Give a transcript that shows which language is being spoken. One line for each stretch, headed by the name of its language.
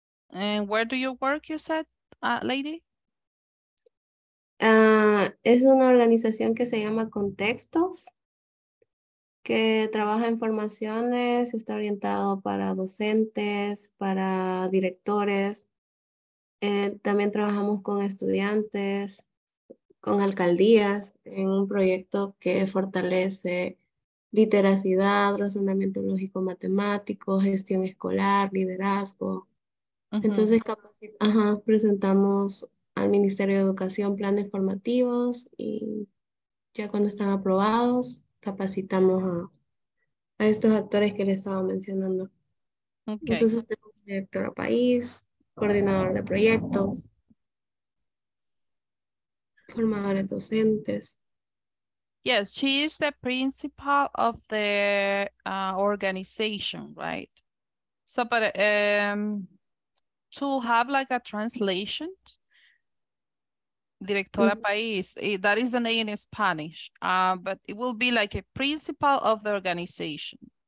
English: And where do you work, you said, lady?
Spanish: Es una organización que se llama Contextos, que trabaja en formaciones, está orientado para docentes, para directores. También trabajamos con estudiantes, con alcaldías, en un proyecto que fortalece literacidad, razonamiento lógico matemático, gestión escolar, liderazgo. Entonces, presentamos al Ministerio de Educación planes formativos y ya cuando están aprobados, capacitamos a estos actores que les estaba mencionando.
English: Okay.
Spanish: Entonces, tengo director a país, coordinador de proyectos, formadores docentes.
English: Yes, she is the principal of the organization, right? So, but to have like a translation, directora país, that is the name in Spanish, but it will be like a principal of the organization.